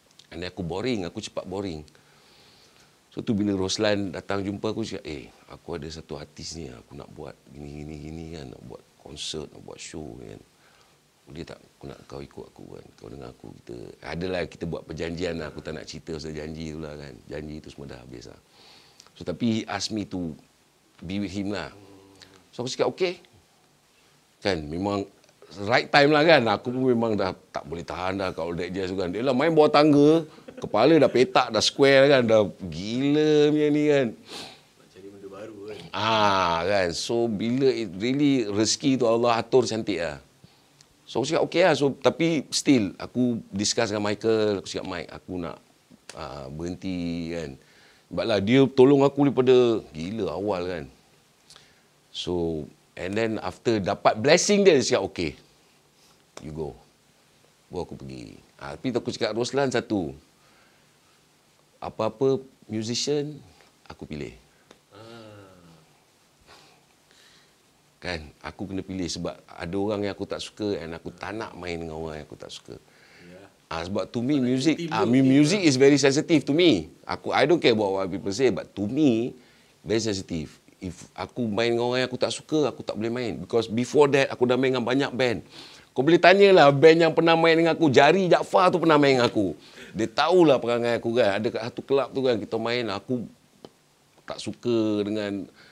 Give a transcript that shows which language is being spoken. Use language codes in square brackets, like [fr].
[ms] And aku boring, aku cepat boring. So tu bila Roslan datang jumpa aku, cakap, aku ada satu artis ni, aku nak buat gini-gini kan. Nak buat konsert, nak buat show kan. Dia tak, aku nak kau ikut aku kan. Kau dengar aku, kita adalah kita buat perjanjian lah. Aku tak nak cerita pasal janji tu lah kan. Janji tu semua dah habis lah. [en] So tapi he asked me to be with him lah. [ms] So aku cakap okay. Kan memang right time lah kan. Aku pun memang dah tak boleh tahan dah kalau [en] that jazz [ms] tu kan. Dia lah main bawah tangga, kepala dah petak, dah square kan. Dah gila punya ni kan. Cari benda baru kan. Kan. So bila it really rezeki tu Allah atur cantik lah. So aku cakap okay lah. So, tapi still aku discuss dengan Michael. Aku cakap, Mike, aku nak berhenti kan. Sebab lah dia tolong aku daripada gila awal kan. [en] So and then after [ms] dapat blessing dia, dia cakap okay, [en] you go. [ms] Buat aku pergi. Tapi aku cakap Roslan satu, apa-apa musician aku pilih. Kan, aku kena pilih sebab ada orang yang aku tak suka and aku tak nak main dengan orang yang aku tak suka. [en] Yeah. [ms] Sebab [en] to me, music music is very sensitive to me. [ms] Aku, [en] I don't care about what people say, but to me, very sensitive. [ms] If aku main dengan orang yang aku tak suka, aku tak boleh main. [en] Because before that, [ms] aku dah main dengan banyak band. Kau boleh tanyalah band yang pernah main dengan aku. Jari Jaafar tu pernah main dengan aku. Dia tahulah perangai aku kan. Ada kat satu club tu kan, kita main, aku tak suka dengan